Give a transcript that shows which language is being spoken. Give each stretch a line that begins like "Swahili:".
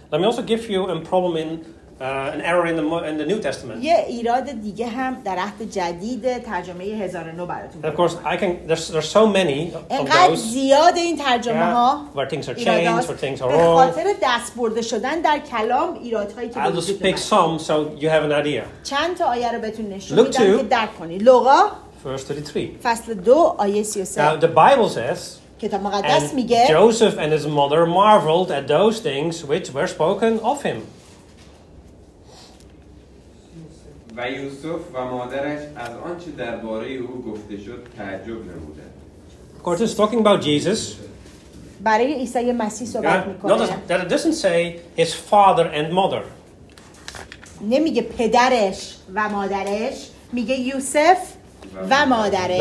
English: Let me also give you a problem in an error in the New Testament.
Persian: یه ایراد دیگه هم در عهد جدید ترجمه 1009 براتون.
English: Of course, I can. There's so many of those.
Persian: زیاد این ترجمه ها.
English: Where things are changed, where things are wrong.
Persian: به خاطر دست برده شدن در کلام ایرادهایی که.
English: I'll just pick some so you have an idea.
Persian: چند تا آیه رو بهتون نشون میدم که درک کنی. لوقا.
English: First 33.
Persian: فصل 2 آیه 33.
English: Now the Bible says.
Persian: کتاب مقدس میگه.
English: Joseph and his mother marveled at those things which were spoken of him.
Persian: و یوسف و مادرش از آنچه درباره او گفته شد تعجب نمودند.
English: Of course, it's talking about Jesus.
Persian: برای عیسی مسیح صحبت میکنه.
English: Not that it doesn't say his father and mother.
Persian: نمیگه پدرش و مادرش، میگه یوسف و مادرش.